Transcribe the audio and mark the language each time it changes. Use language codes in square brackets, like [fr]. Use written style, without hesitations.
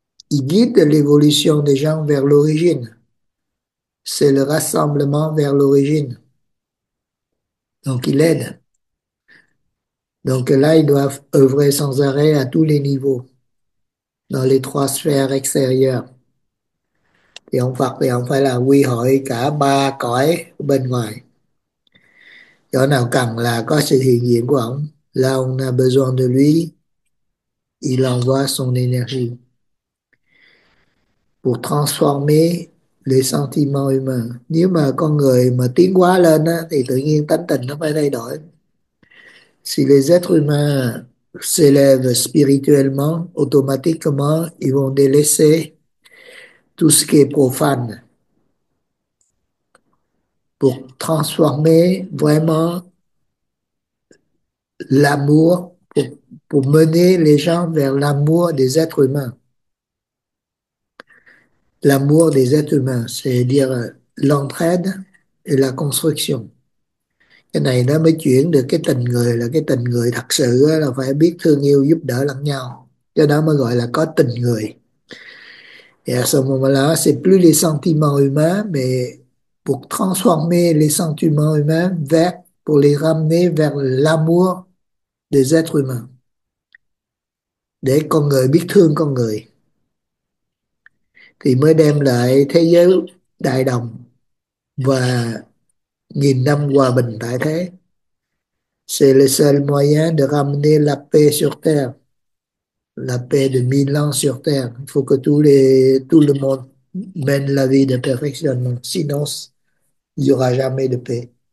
[fr] Il guide l'évolution des gens vers l'origine. C'est le rassemblement vers l'origine. Donc il aide. Donc là, ils doivent œuvrer sans arrêt à tous les niveaux, dans les trois sphères extérieures. Et en [vi] Phật thì không phải là quy hội cả ba cõi bên ngoài. Chỗ nào cần là có sự hiện diện của ông. [fr] Là on a besoin de lui, il envoie son énergie pour transformer les sentiments humains. [vi] Nếu mà con người mà tiến hóa lên á, thì tự nhiên tánh tình nó phải thay đổi. [fr] Si les êtres humains s'élèvent spirituellement, automatiquement, ils vont délaisser tout ce qui est profane pour transformer vraiment l'amour, pour mener les gens vers l'amour des êtres humains. L'amour des êtres humains, c'est-à-dire l'entraide et la construction. [vi] Cái này nó mới chuyển được cái tình người, là cái tình người thật sự đó, là phải biết thương yêu giúp đỡ lẫn nhau. Cho đó mới gọi là có tình người. [fr] Et à ce moment-là, c'est plus les sentiments humains, mais pour transformer les sentiments humains vers, pour les ramener vers l'amour des êtres humains. [vi] Để con người biết thương con người. Thì mới đem lại thế giới đại đồng và nghìn năm hòa bình tại thế. [fr] C'est le seul moyen de ramener la paix sur terre. La paix de 1000 ans sur terre. Il faut que tout le monde mène la vie de perfectionnement. Sinon, il n'y aura jamais de paix.